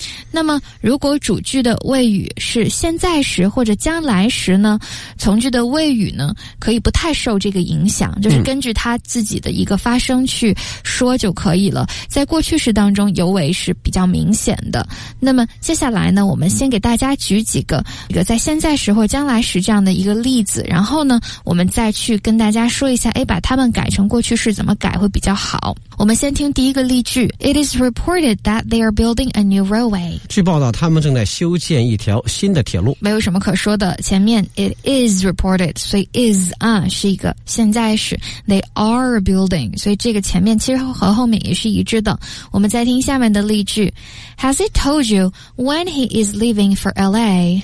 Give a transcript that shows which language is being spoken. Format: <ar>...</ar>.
<zh>那么如果主句的谓语是现在时或者将来时呢，从句的谓语呢可以不太受这个影响，就是根据他自己的一个发声去说就可以了。在过去式当中尤为是比较明显的。那么接下来呢，我们先给大家举几个一个在现在时或将来时这样的一个例子，然后呢我们再去跟大家说一下，把他们改成过去式怎么改会比较好。我们先听第一个例句，</zh> <en>It is reported that they are building a new railway，</en> <zh>据报道他们正在修建一条新的铁路。没有什么可说的，前面</zh> <en>it is reported，</en> <zh>所以 is 啊是一个现在时，</zh> <en>they are building，</en> <zh>所以这个前面其实和后面也是一致的。我们再听下面的例句，</zh> <en>Has he told you when he is leaving for LA？</en>